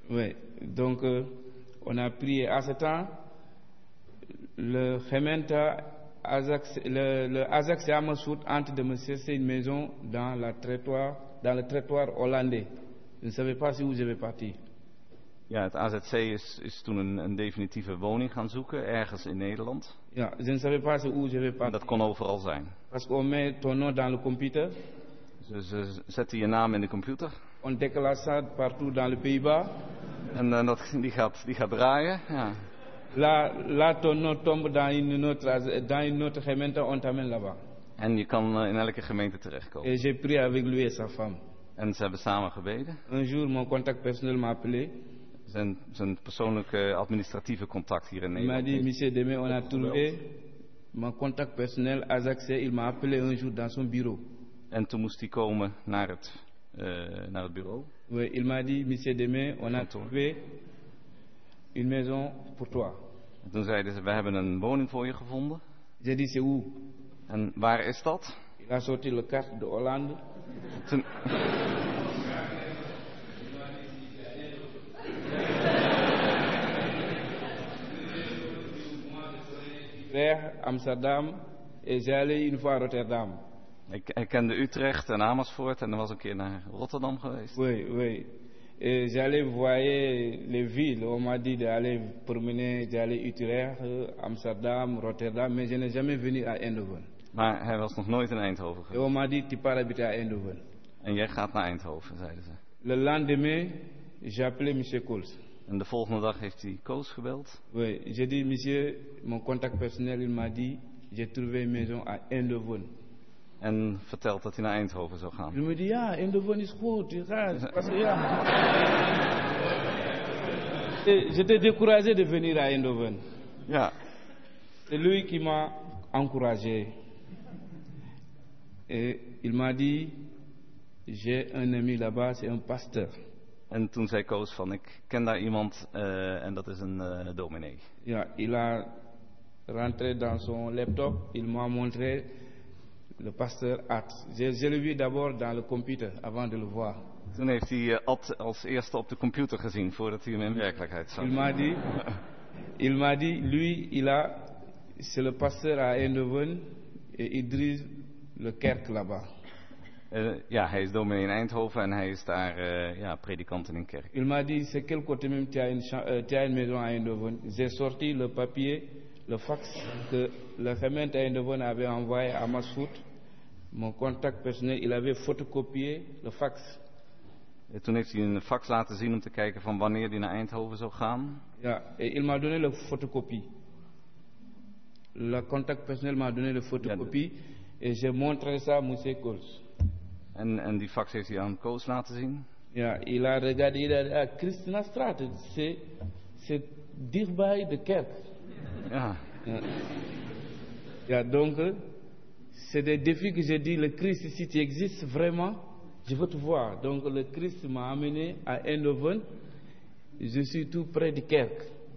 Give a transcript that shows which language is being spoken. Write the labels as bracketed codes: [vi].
[fr] Oui, donc on a prié à ce temps, le gemeente Azak, le Azak Siamasout entre de me chercher une maison dans le territoire hollandais. Je ne savais pas si où je vais partir. [nl] Ja, het AZC is toen een definitieve woning gaan zoeken, ergens in Nederland. [fr] Ja, je ne savais pas si où je vais partir. [nl] En dat kon overal zijn. [fr] Parce qu'on met ton nom dans le computer. [nl] Ze zetten je naam in de computer. [fr] On déclare ça partout dans le Pays-Bas. [nl] En die gaat draaien, ja. [fr] Là, ton nom tombe dans une autre gemeente, on t'amène là-bas. [nl] En je kan in elke gemeente terechtkomen. [fr] Et j'ai prié avec lui et sa femme. [nl] En ze hebben samen gebeden. [fr] Un jour, mon contact personnel m'a appelé. [nl] Zijn persoonlijke administratieve contact hier in Nederland. [fr] Il m'a dit, monsieur Demé, on a trouvé mon contact personnel, Azaxé, il m'a appelé un jour dans son bureau. [nl] En toen moest hij komen naar het bureau. [fr] Oui, il m'a dit, monsieur Demé, on a trouvé une maison pour toi. [nl] En toen zeiden ze, we hebben een woning voor je gevonden. [fr] J'ai dit, c'est où? [nl] En waar is dat? [fr] Il a sorti le carte de Hollande. [nl] Amsterdam en zeilen in voor Rotterdam. Ik kende Utrecht en Amersfoort en dan was een keer naar Rotterdam geweest. [fr] Oui, oui. J'allais voyer les villes. On m'a dit d'aller promener, d'aller Utrecht, Amsterdam, Rotterdam, mais je n'ai jamais venu à Eindhoven. [nl] Maar hij was nog nooit in Eindhoven geweest. [fr] On m'a dit tu pars habiter à Eindhoven. [nl] En jij gaat naar Eindhoven, zeiden ze. [fr] Le lendemain, j'ai appelé Monsieur Kools. [nl] En de volgende dag heeft hij Koos gebeld. [fr] Oui, j'ai dit monsieur, mon contact personnel il m'a dit j'ai trouvé une maison à Eindhoven. [nl] En vertelt dat hij naar Eindhoven zou gaan. [fr] Il me dit [nl] ja, Eindhoven is goed, [fr] je gaat. J'étais découragé de venir à Eindhoven. [nl] Ja. [fr] C'est lui qui m'a encouragé. Et il m'a dit j'ai un ami là-bas, c'est un pasteur. [nl] En toen zei Koos van, ik ken daar iemand en dat is een dominee. [fr] Ja, il a rentré dans son laptop, il m'a montré le pasteur Ad. Je l'ai vu d'abord dans le computer, avant de le voir. [nl] Toen heeft hij Ad als eerste op de computer gezien, voordat hij hem in werkelijkheid zag. [fr] Il m'a dit, lui, c'est le pasteur à Eindhoven, et il dirige le kerk là-bas. [nl] Ja, hij is dominee in Eindhoven en hij is daar predikant in een kerk. [fr] Il m'a dit, c'est quel côté même tu as une maison à Eindhoven? J'ai sorti le papier, le fax que la gemeente Eindhoven avait envoyé à Masfoot. Mon contact personnel, il avait photocopié le fax. [nl] Et toen heeft hij een fax laten zien om te kijken van wanneer hij naar Eindhoven zou gaan. [fr] Ja, et il m'a donné la photocopie. Le contact personnel m'a donné la photocopie et j'ai montré ça à Monsieur Kools. [nl] En die fax heeft hij aan Koos laten zien. [fr] Ja, il a regardé à Christina Straat. [nl] C'est dichtbij de kerk. Ja. [fr] Ja, donc, c'est des défis que j'ai dit. Le Christ, si tu existes vraiment, je veux te voir. Donc, le Christ m'a amené à Eindhoven. Je suis tout près de kerk.